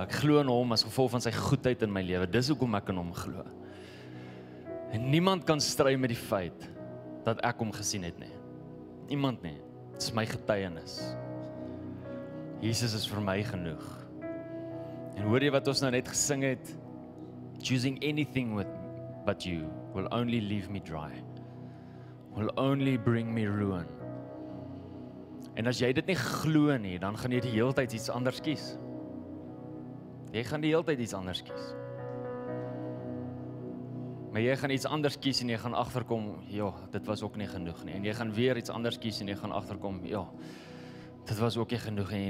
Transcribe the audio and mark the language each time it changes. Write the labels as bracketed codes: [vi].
[af] Ek glo in hom as gevolg van sy goedheid in my lewe. Dis hoekom ek in hom glo. En niemand kan stry met die feit dat ek hom gesien het nie. Niemand nie. Dit is my getuienis. Jesus is vir my genoeg. En hoor jy wat ons nou net gesing het? [en] Choosing anything but you will only leave me dry. Will only bring me ruin. [af] En as jy dit nie glo nie, dan gaan jy die hele tyd iets anders kies. Jy gaan die hele tyd iets anders kies. Maar jy gaan iets anders kies en jy gaan agterkom, ja, dit was ook nie genoeg nie. En jy gaan weer iets anders kies en jy gaan agterkom, ja, dit was ook nie genoeg nie.